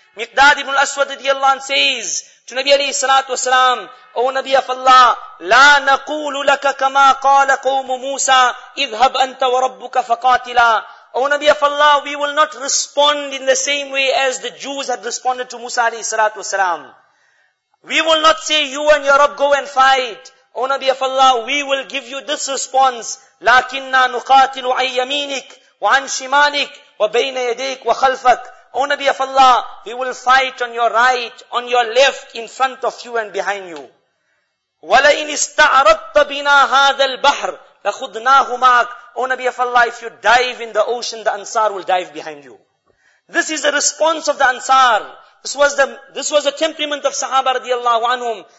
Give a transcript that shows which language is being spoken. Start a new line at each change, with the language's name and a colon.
English: Miqdad ibn al-Aswad radiallahu anhu says, to Nabi alayhi salatu wasalam, O Nabi of Allah,
Arabic: لا نقول لك كما قال قوم موسى اذهب أنت وربك فقاتلا.
English: O Nabi of Allah, we will not respond in the same way as the Jews had responded to Musa alayhi salatu wasalam. We will not say, you and your Rabb go and fight. O Nabi of Allah, we will give you this response.
Arabic: لكننا نقاتل عن يمينك وعن شمالك وبين يديك وخلفك.
English: O Nabi of Allah, we will fight on your right, on your left, in front of you and behind you.
Arabic: وَلَئِنِ اسْتَعْرَضْتَ بِنَا هَذَا الْبَحْرِ لَخُدْنَاهُ مَعَكَ.
English: O Nabi of Allah, if you dive in the ocean, the Ansar will dive behind you. This is the response of the Ansar. This was the temperament of Sahaba radiallahu anhum.